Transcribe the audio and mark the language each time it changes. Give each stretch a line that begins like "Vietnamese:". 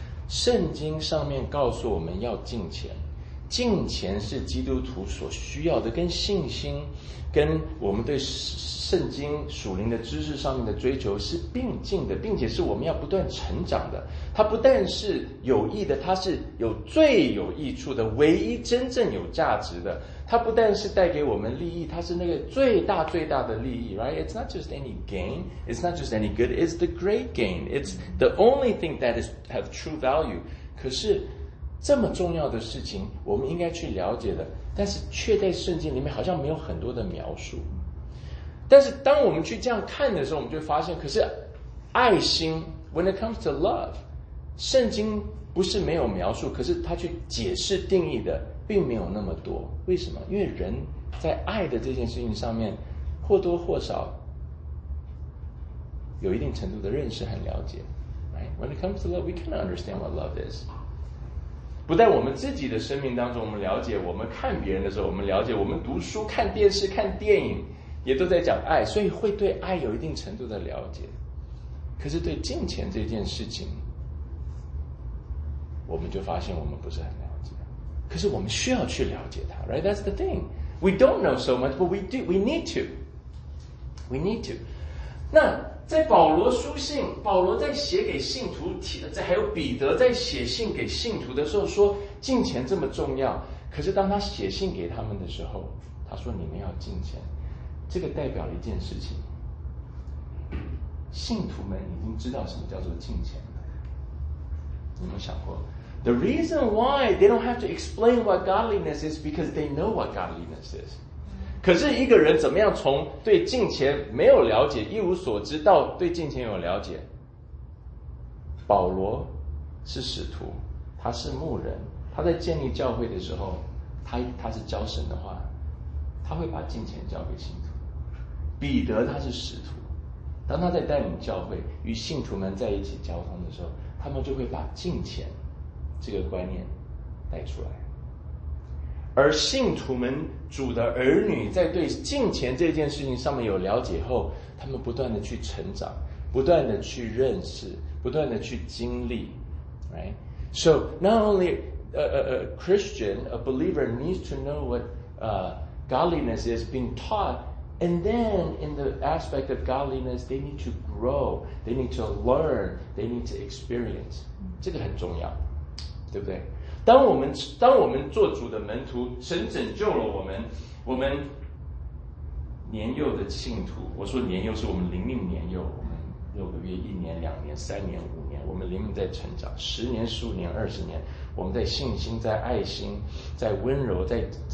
Chinese: 圣经上面告诉我们要敬虔，敬虔是基督徒所需要的，跟信心跟我们对圣经属灵的知识上面的追求是并进的，并且是我们要不断成长的，它不但是有益的，它是有最有益处的，唯一真正有价值的，它不但是带给我们利益，它是那个最大最大的利益， right?
English: It's not just any gain, it's not just any good, it's the great gain, it's the only thing that is have true value.
Chinese: 可是这么重要的事情我们应该去了解的，但是却在圣经里面好像没有很多的描述。但是当我们去这样看的时候，我们就发现，可是爱心
English: when it comes to love,
Chinese: 圣经不是没有描述，可是它去解释定义的并没有那么多。为什么？因为人在爱的这件事情上面或多或少有一定程度的认识和了解， right?
English: When it comes to love, we can understand what love is.
Chinese: 不但我们自己的生命当中我们了解，我们看别人的时候我们了解，我们读书看电视看电影也都在讲爱，所以会对爱有一定程度的了解，可是对金钱这件事情我们就发现我们不是很了解，可是我们需要去了解它， right?
English: That's the thing. We don't know so much, but we do. We need to. We need to.
Chinese: 那在保罗书信，保罗在写给信徒，还有彼得在写信给信徒的时候说敬虔这么重要，可是当他写信给他们的时候，他说你们要敬虔，这个代表了一件事情，信徒们已经知道什么叫做敬虔了。你们想过
English: The reason why they don't have to explain what godliness is because they know what godliness is.
Chinese: 可是一个人怎么样从对敬虔没有了解一无所知到对敬虔有了解，保罗是使徒，他是牧人，他在建立教会的时候 他是教神的话，他会把敬虔交给信徒。彼得他是使徒，当他在带领教会与信徒们在一起交通的时候，他们就会把敬虔这个观念带出来，而信徒们主的儿女在对敬虔这件事情上面有了解后，他们不断的去成长，不断的去认识，不断的去经历， right?
English: So not only a Christian, a believer needs to know what godliness is being taught, and then in the aspect of godliness, they need to grow, they need to learn, they need to experience.
Chinese: 这个很重要，对不对？当我们做主的门徒，神拯救了我们，我们年幼的信徒，我说年幼是我们灵命年幼，我们六个月、一年、两年、三年、五年，我们灵命在成长，十年、十五年、二十年，我们在信心、在爱心、在温柔、在